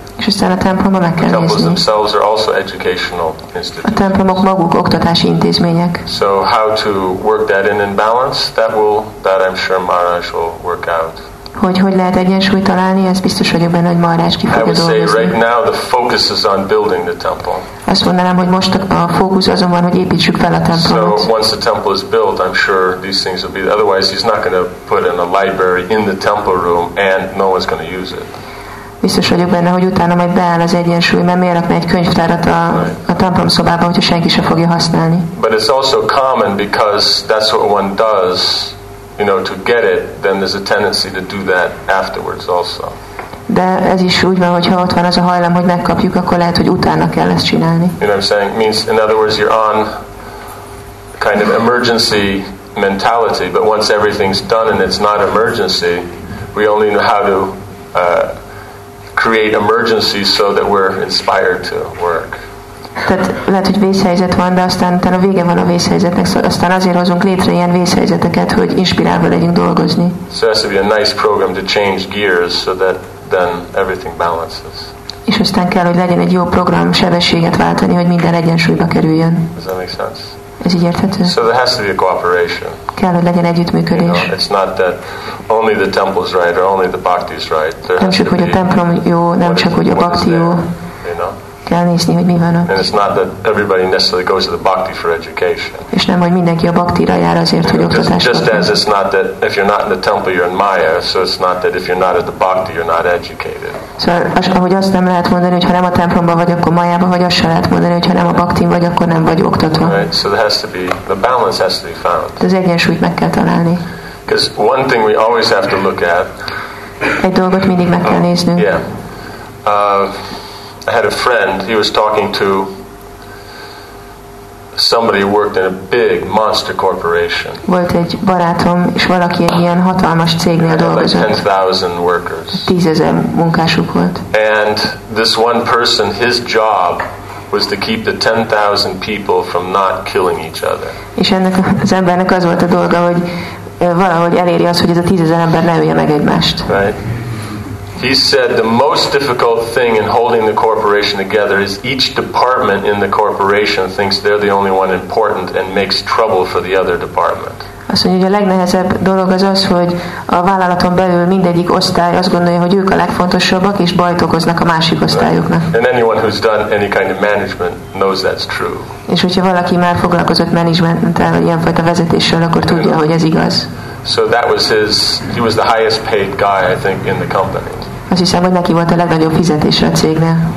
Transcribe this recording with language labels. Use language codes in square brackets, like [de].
[hu] És aztán a templomba meg kell nézni. [en] The temples themselves are also educational institutions. [hu] A templomok maguk oktatási intézmények. [en] So how to work that in balance, that I'm sure Maharaj will work out. [hu] Hogy lehet egyensúlyt találni, ez biztos vagyok benne, hogy Maharaj ki fogja dolgozni. [en] Right now the focus is on building the temple. [hu] Azt mondanám, hogy most a fókusz azon van, hogy építsük fel a templomot. [en] So once the temple is built, I'm sure these things will be. Otherwise, he's not going to put in a library in the temple room, and no one's going to use it. [hu] Biztos vagyok benne, hogy utána majd beáll az egyensúly, mert miért rakni egy könyvtárat a templom szobában, hogyha senki sem fogja használni. [en] But it's also common because that's what one does, you know, to get it. Then there's a tendency to do that afterwards also. [hu] De ez is úgy van, hogyha ott van az a hajlam, hogy megkapjuk, akkor lehet, hogy utána kell ezt csinálni. [en] You know what I'm saying? Means, in other words, you're on kind of emergency mentality, but once everything's done and it's not emergency, we only know how to create emergencies so that we're inspired to work. [hu] Tehát lehet, hogy vészhelyzet van, de aztán a vége van a vészhelyzetnek, szóval aztán azért hozunk létre ilyen vészhelyzeteket, hogy inspirálva legyünk dolgozni. [en] So it has to be a nice program to change gears so that then everything balances. [hu] És aztán kell, hogy legyen egy jó program sebességet váltani, hogy minden egyensúlyba kerüljön. [en] Does that make sense? [hu] Ez így érthető? [en] So there has to be a cooperation. [hu] Kell, hogy legyen együttműködés. [en] You know, it's not that only the temple's right or only the bhakti's right. [hu] Nem csak, hogy a templom jó, nem csak, hogy a bhakti jó. Kell nézni, hogy mi van ott. [en] And it's not that everybody necessarily goes to the bhakti for education. [hu] És nem, hogy mindenki a bhaktira jár azért, hogy oktatást kapjon. [en] Just as it's not that if you're not in the temple, you're in maya, so it's not that if you're not at the bhakti, you're not educated. [hu] Szóval, ahogy azt nem lehet mondani, hogy ha nem a templomban vagy, akkor májában vagy, azt sem lehet mondani, hogy ha nem a bhaktin vagy, akkor nem vagy oktatva. [en] Right? So there has to be, the balance has to be found. [hu] De az egyensúlyt meg kell találni. [en] Because one thing we always have to look at. [hu] Egy dolgot mindig meg kell néznünk. [en] I had a friend, he was talking to somebody who worked in a big monster corporation. [hu] Volt egy barátom, és valaki egy ilyen hatalmas cégnél dolgozott. [en] Like 10,000 workers. [hu] 10,000 munkásuk volt. [en] And this one person, his job was to keep the 10,000 people from not killing each other. [hu] És ennek az embernek az volt a dolga, hogy valahogy eléri azt, hogy ez a 10,000 ember ne ölje meg egymást. [en] Right. He said the most difficult thing in holding the corporation together is each department in the corporation thinks they're the only one important and makes trouble for the other department. [hu] Azt mondja, hogy a legnehezebb dolog az az, hogy a vállalaton belül mindegyik osztály azt gondolja, hogy ők a legfontosabbak, és bajt okoznak a másik osztályoknak. [en] Right. And anyone who's done any kind of management knows that's true. [hu] És hogyha valaki már foglalkozott menedzsmenttel, vagy ilyenfajta vezetéssel, akkor tudja, hogy ez igaz. [en] So that was his, he was the highest paid guy, I think, in the company. [hu] Azt hiszem, hogy neki volt a legnagyobb fizetés a cégnél.